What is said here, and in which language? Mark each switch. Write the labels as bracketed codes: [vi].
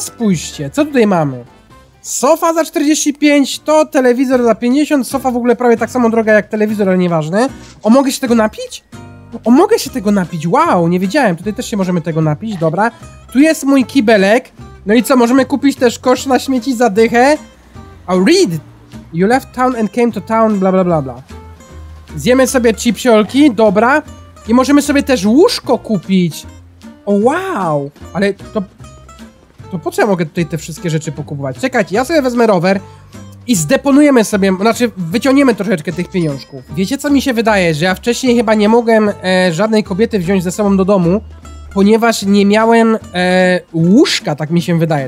[pl] Spójrzcie, co tutaj mamy? Sofa za 45, to telewizor za 50, sofa w ogóle prawie tak samo droga jak telewizor, ale nieważne. O, mogę się tego napić? O, mogę się tego napić, wow, nie wiedziałem, tutaj też się możemy tego napić, dobra. Tu jest mój kibelek, no i co, możemy kupić też kosz na śmieci za dychę. [en] Oh, read, you left town and came to town, bla bla bla bla. [pl] Zjemy sobie chipsiolki, dobra. I możemy sobie też łóżko kupić. O, wow, ale to... To po co ja mogę tutaj te wszystkie rzeczy pokupować? Czekajcie, ja sobie wezmę rower i zdeponujemy sobie, znaczy wyciągniemy troszeczkę tych pieniążków. Wiecie, co mi się wydaje, że ja wcześniej chyba nie mogłem żadnej kobiety wziąć ze sobą do domu, ponieważ nie miałem łóżka, tak mi się wydaje.